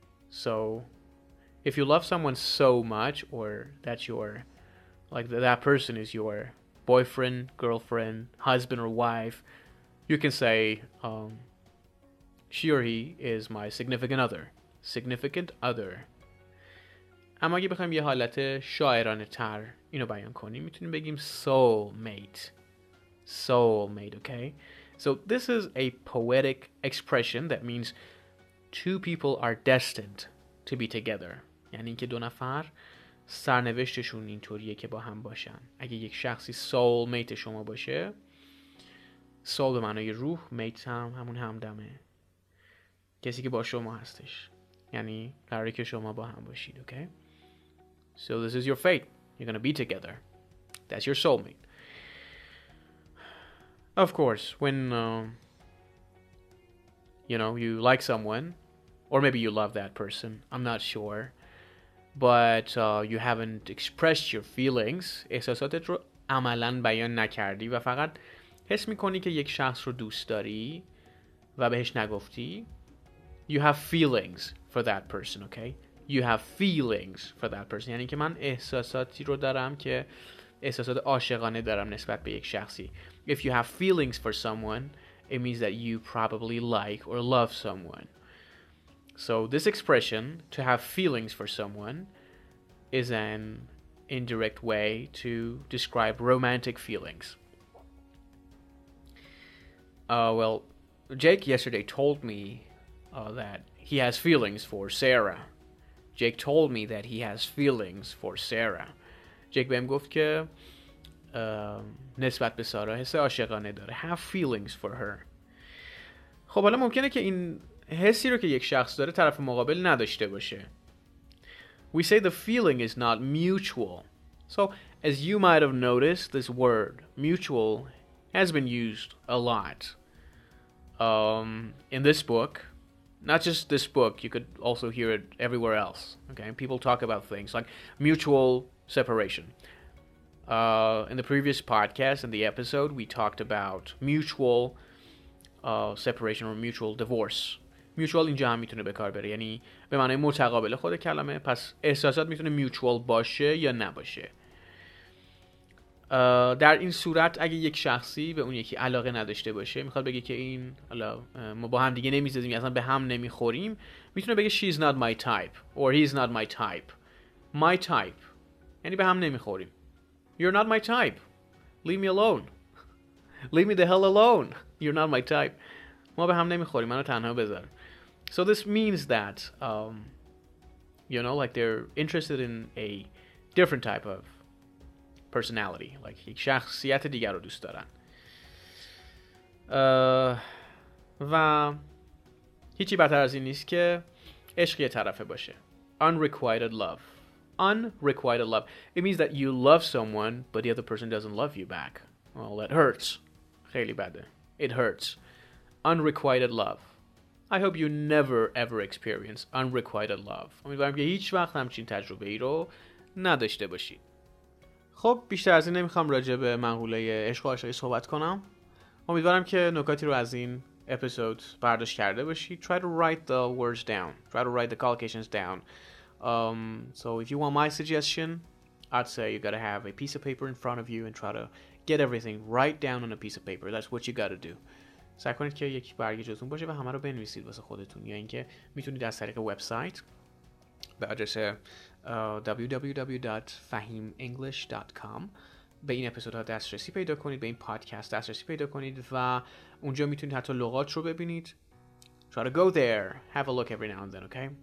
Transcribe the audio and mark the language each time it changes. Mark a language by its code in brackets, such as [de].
[en] So if you love someone so much, or that's your, like that person is your boyfriend, girlfriend, husband or wife, you can say she or he is my significant other. Significant other. [fa] اما اگه بخوایم یه حالت شاعرانه تر اینو بیان کنیم میتونیم بگیم soulmate. [en] Soulmate, okay? So this is a poetic expression that means two people are destined to be together. [fa] یعنی اینکه دو نفر سرنوشتشون اینطوریه که با هم باشن. اگه یک شخصی soulmate شما باشه، soul به معنای روح، mate هم همون همدمه. کسی که با شما هستش. یعنی قراره که شما با هم باشید، okay? [en] So this is your fate. You're going to be together. That's your soulmate. Of course, when you know, you like someone, or maybe you love that person, I'm not sure, but you haven't expressed your feelings, [fa] احساساتت رو عملا بیان نکردی و فقط حس میکنی که یک شخص رو دوست داری و بهش نگفتی, [en] you have feelings for that person, okay? You have feelings for that person. [fa] یعنی که من احساساتی رو دارم که احساسات عاشقانه دارم نسبت به یک شخصی. [en] If you have feelings for someone, it means that you probably like or love someone. So this expression, to have feelings for someone, is an indirect way to describe romantic feelings. Well, Jake yesterday told me that he has feelings for Sarah. Jake told me that he has feelings for Sarah. [fa] Jake بهم گفت که نسبت به سارا حس عاشقانه داره. [en] Have feelings for her. [fa] خب حالا ممکنه که این حسی رو که یک شخص داره طرف مقابل نداشته باشه. [en] We say the feeling is not mutual. So as you might have noticed, this word mutual has been used a lot in this book. Not just this book, you could also hear it everywhere else, okay? People talk about things like mutual separation. In the previous podcast, in the episode, we talked about mutual separation or mutual divorce. [fa] Mutual اینجا هم میتونه به کار بره, یعنی به معنی متقابل خود کلمه, پس احساسات میتونه mutual باشه یا نباشه. در این صورت اگه یک شخصی به اون یکی علاقه نداشته باشه میخواد بگه که این حالا ما با هم دیگه نمیزدیم یا اصلا به هم نمیخوریم میتونه بگه [en] she's not my type [fa] or he's not my type. [en] My type [fa] یعنی به هم نمیخوریم. [en] You're not my type. Leave me alone. Leave me the hell alone. You're not my type. [fa] ما به هم نمیخوریم, منو تنها بذار. [en] So this means that you know, like they're interested in a different type of personality, like [fa] یک شخصیت دیگر رو دوست دارن. و هیچی بهتر از این نیست که عشق یه طرفه باشه. [en] Unrequited love. Unrequited love. It means that you love someone, but the other person doesn't love you back. Well, that hurts. [fa] خیلی بده. [en] It hurts. Unrequited love. I hope you never ever experience unrequited love. [fa] امیدوارم که هیچ وقت همچین تجربه ای رو نداشته باشید. خب بیشتر از این نمیخوام راجع به مقوله عشق و عاشقی صحبت کنم. امیدوارم که نکاتی رو از این اپیزود برداشت کرده باشی. [en] Try to write the words down. Try to write the collocations down. So if you want my suggestion, I'd say you gotta have a piece of paper in front of you and try to get everything right down on a piece of paper. That's what you gotta do. [fa] سعی کنید که یک برگه جزون باشه و همه رو بنویسید واسه خودتون، یا اینکه میتونید از طریق وبسایت به آدرس www.fahimenglish.com به این اپیزودها دسترسی پیدا کنید، به این پادکست دسترسی پیدا کنید و اونجا میتونید حتی لغات رو ببینید. [en] Try to go there, have a look every now and then, okay?